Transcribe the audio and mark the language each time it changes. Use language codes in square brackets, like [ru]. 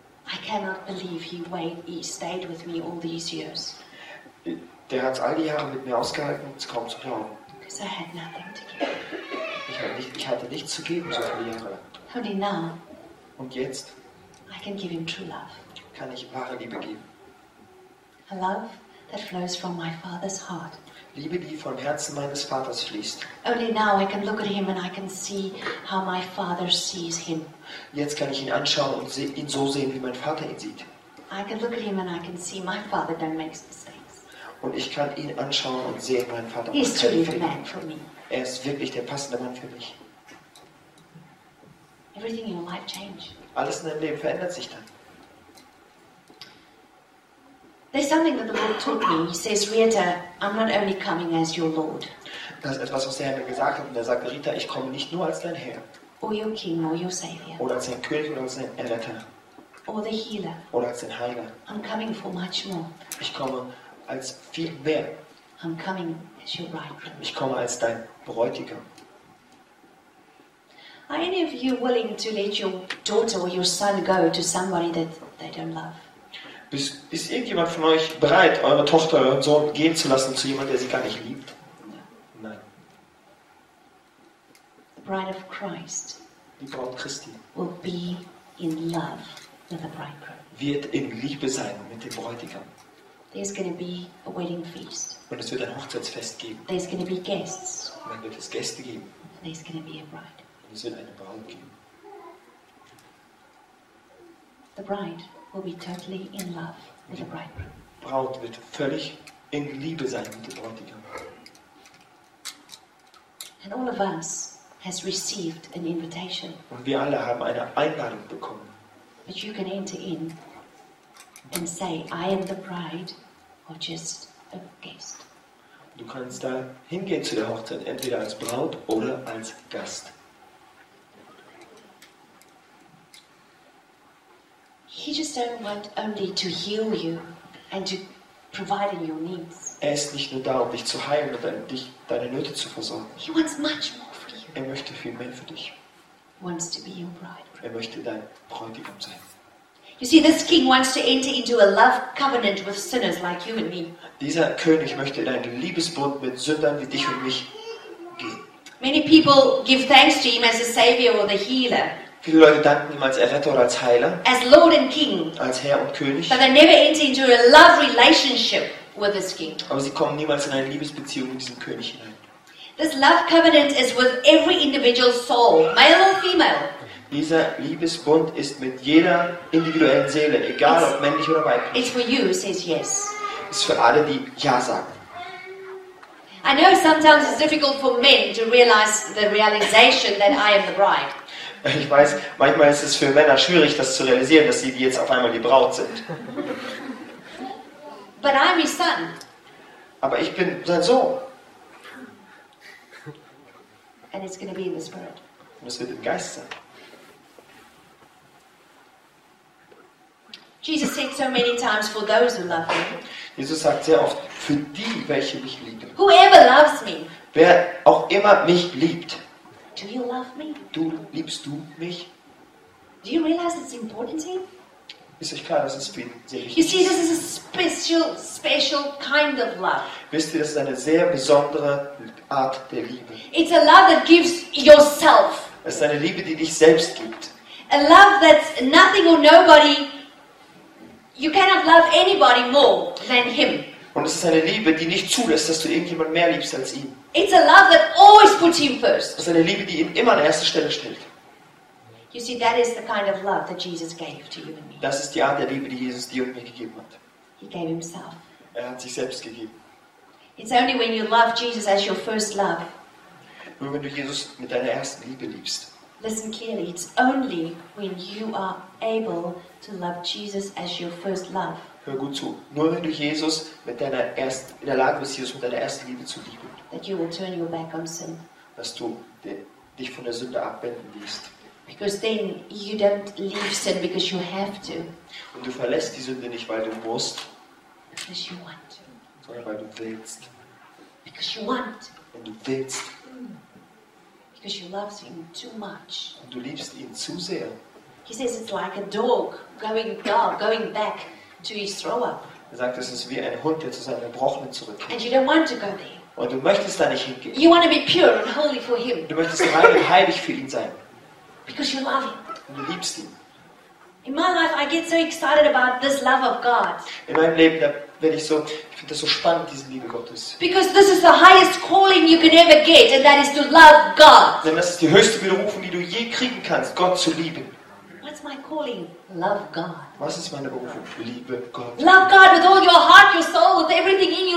[en] I cannot believe he stayed with me all these years. [de] Der hat es all die Jahre mit mir ausgehalten, es kaum zu glauben. [en] Because I had nothing to give. [de] Ich hatte nichts zu geben, so viele Jahre. [en] Only now, [de] und jetzt [en] I can give him true love. [de] Kann ich wahre Liebe geben. [en] A love that flows from my father's heart. [de] Liebe, die vom Herzen meines Vaters fließt. [en] Only now I can look at him and I can see how my father sees him. [de] Jetzt kann ich ihn anschauen und ihn so sehen, wie mein Vater ihn sieht. [en] I can look at him and I can see my father don't make mistakes. [de] Und ich kann ihn anschauen und sehen, mein Vater macht keine Fehler. [en] He's truly the man for me. [de] Er ist wirklich der passende Mann für mich. [en] Everything in your life changes. [de] Alles in deinem Leben verändert sich dann. [en] There's something that the Lord taught me. He says, Rita, I'm not only coming as your Lord. [de] Das ist etwas, was der Herr mir gesagt hat. Und er sagt, Rita, ich komme nicht nur als dein Herr. [en] Or your King, or your Savior. [de] Oder als dein König oder als dein Erretter. [en] Or the Healer. [de] Oder als dein Heiler. [en] I'm coming for much more. [de] Ich komme als viel mehr. [en] I'm coming as your bridegroom. [de] Ich komme als dein Bräutigam. [en] Are any of you willing to let your daughter or your son go to somebody that they don't love? [de] Ist irgendjemand von euch bereit, eure Tochter oder euren Sohn gehen zu lassen zu jemandem, der sie gar nicht liebt? [en] No. [de] Nein. [en] The bride of Christ. [de] Die Braut Christi. [en] Will be in love with the bridegroom. [de] Wird in Liebe sein mit dem Bräutigam. [en] There's going to be a wedding feast. [de] Und es wird ein Hochzeitsfest geben. [en] There's going to be guests. [de] Und dann wird es Gäste geben. [en] There's going to be a bride. [de] Und es wird eine Braut geben. [en] The bride will be totally in love with the bridegroom. [de] Die Braut wird völlig in Liebe sein mit dem Bräutigam. [en] And all of us has received an invitation. [de] Und wir alle haben eine Einladung bekommen. [en] But you can enter in and say, I am the bride, or just a guest. [de] Du kannst da hingehen zu der Hochzeit, entweder als Braut oder als Gast. [en] He just don't want only to heal you and to provide your needs. [de] Er ist nicht nur da, um dich zu heilen und deine Nöte zu versorgen. [en] He wants much more for you. [de] Er möchte viel mehr für dich. [en] He wants to be your bride. [de] Er möchte dein Bräutigam sein. [en] You see, this king wants to enter into a love covenant with sinners like you and me. [de] Dieser König möchte in einen Liebesbund mit Sündern wie dich und mich gehen. [en] Many people give thanks to him as a savior or the healer. [de] Viele Leute danken ihm als Erretter oder als Heiler. [en] As Lord and King. [de] Als Herr und König. [en] But they never enter into a love relationship with this king. [de] Aber sie kommen niemals in eine Liebesbeziehung mit diesem König hinein. [en] This love covenant is with every individual soul, male or female. [de] Dieser Liebesbund ist mit jeder individuellen Seele, egal ob männlich oder weiblich. [en] It's for you who says yes. [de] Ist für alle, die ja sagen. [en] I know sometimes it's difficult for men to realize the realization that I am the bride. [de] Ich weiß, manchmal ist es für Männer schwierig, das zu realisieren, dass sie jetzt auf einmal die Braut sind. [en] But I'm his son. [de] Aber ich bin sein Sohn. [en] And it's going to be in the spirit. [de] Und es wird im Geist sein. [en] Jesus said so many times for those who love me. [de] Jesus sagt sehr oft für die, welche mich lieben. [en] Whoever loves me. [de] Wer auch immer mich liebt. [en] Do you love me? [de] Du liebst du mich? [en] Do you realize it's important to him? [de] Ist euch klar, dass es für ihn sehr wichtig ist? [en] You see, this is a special kind of love. [de] Wisst ihr, das ist eine sehr besondere Art der Liebe. [en] It's a love that gives yourself. [de] Es ist eine Liebe, die dich selbst gibt. [en] A love that's nothing or nobody. You cannot love anybody more than him. [de] Und es ist eine Liebe, die nicht zulässt, dass du irgendjemand mehr liebst als ihn. [en] It's a love that always puts him first. [de] Es ist eine Liebe, die ihn immer an erste Stelle stellt. [en] You see, that is the kind of love that Jesus gave to you and me. [de] Das ist die Art der Liebe, die Jesus dir und mir gegeben hat. [en] He gave himself. [de] Er hat sich selbst gegeben. [en] It's only when you love Jesus as your first love. [de] Nur wenn du Jesus mit deiner ersten Liebe liebst. [en] Listen clearly. It's only when you are able to love Jesus as your first love. [de] Hör gut zu. Nur wenn du Jesus mit deiner ersten, in der Lage bist, Jesus mit deiner ersten Liebe zu lieben. [en] That you will turn your back on sin. [de] Dass du dich von der Sünde abwenden wirst. [en] Because then you don't leave sin because you have to. [de] Und du verlässt die Sünde nicht, weil du musst. [en] Because you want to. [de] Sondern weil du willst. [en] Because you want. [de] Und du willst. [en] Because you love him too much. [de] Und du liebst ihn zu sehr. [en] He says it's like a dog going back to his throw up. [de] Er sagt, es ist wie ein Hund, der zu seinem Erbrochenen zurückkehrt. [en] And you don't want to go there. [de] Und du möchtest da nicht hingehen. [en] You want to be pure and holy for him. [de] Du möchtest rein und heilig für ihn sein. [en] Because you love him. [de] Und du liebst ihn. [en] In my life, I get so excited about this love of God. [de] In meinem Leben da werde ich so, ich finde das so spannend, diese Liebe Gottes. [en] Because this is the highest calling you can ever get, and that is to love God. [de] Denn das ist die höchste Berufung, die du je kriegen kannst, Gott zu lieben. [en] What's my calling? Love God. [de] Was ist meine Berufung? Liebe Gott. [en] Love God with all your heart, your soul, with everything in you.